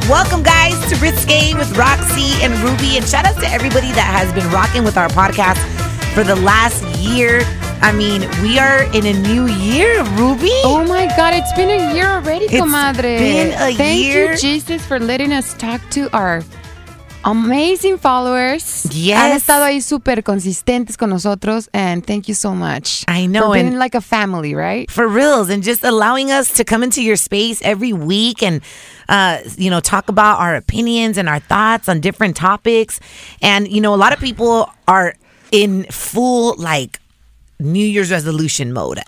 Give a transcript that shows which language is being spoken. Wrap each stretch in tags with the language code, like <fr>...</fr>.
<en>Welcome, guys, to Risqué with Roxy and Ruby. And shout out to everybody that has been rocking with our podcast for the last year. I mean, we are in a new year, Ruby. Oh, my God. It's been a year already, comadre. It's been a year. Thank you, Jesus, for letting us talk to our amazing followers. Yes.</en> <es>Han estado ahí super consistentes con nosotros.</es> <en>And thank you so much. I know. For being like a family, right? For reals. And just allowing us to come into your space every week and, you know, talk about our opinions and our thoughts on different topics. And, you know, a lot of people are in full, like, New Year's resolution mode.</en>